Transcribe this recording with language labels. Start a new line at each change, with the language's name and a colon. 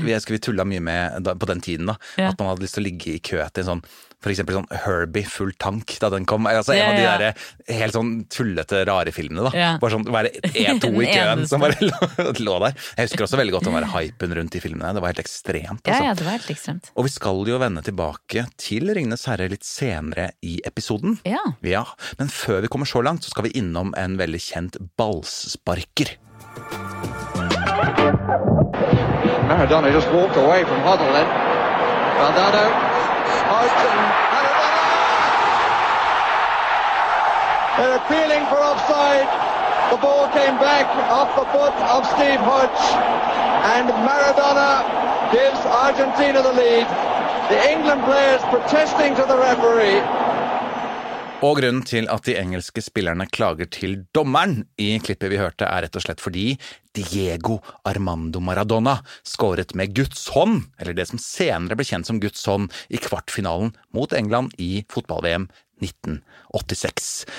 Norwegian: vi tulla mye med da, på den tiden da, ja. At man hadde lyst til å ligge I kø til en sånn, for eksempel sånn Herbie full tank da den kom. Altså en av de der helt sånn tullete, rare filmene da. Ja. Bare sånn, bare E2 I køen som bare lå der. Jeg husker også veldig godt den der hypen rundt I filmene. Det var helt ekstremt. Altså. Ja, det var helt ekstremt. Og vi skal jo vende tilbake til Ringenes Herre litt senere I episoden. Ja. Ja, men før vi kommer så langt så skal vi innom en veldig kjent ballsparker.
English: Maradona just walked away from Huddle then. Maradona. Oh, Maradona. They're appealing for offside. The ball came back off the foot of Steve Hodge and Maradona gives Argentina the lead. The England players protesting to the referee.
Norwegian: Og grunnen til at de engelske spillerne klager til dommeren I klippet vi hørte rett og slett fordi Diego Armando Maradona skåret med Guds hånd, eller det som senere ble kjent som Guds hånd, I kvartfinalen mot England I fotball-VM 1986.